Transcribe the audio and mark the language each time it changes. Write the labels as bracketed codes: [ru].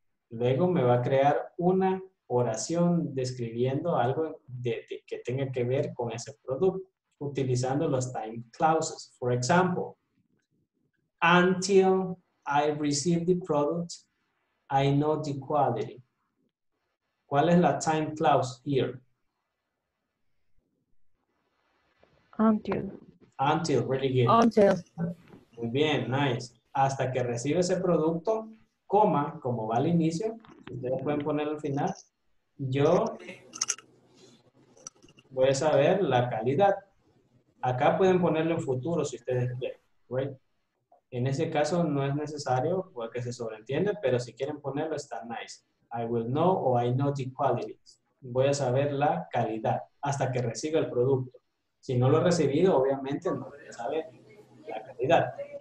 [es] Luego me va a crear una oración describiendo algo de que tenga que ver con ese producto, utilizando los time clauses. [en] For example, until I receive the product, I know the quality. [es] ¿Cuál es la time clause here? [en] Until, really good. Until. [es] Muy bien, nice. Hasta que recibe ese producto, coma, como va al inicio, ustedes pueden poner al final, yo voy a saber la calidad. Acá pueden ponerlo en futuro si ustedes quieren, right? En ese caso no es necesario porque se sobreentiende, pero si quieren ponerlo está nice. [en] I will know or I know the qualities. [es] Voy a saber la calidad hasta que reciba el producto. Si no lo he recibido, obviamente no debería saber la calidad.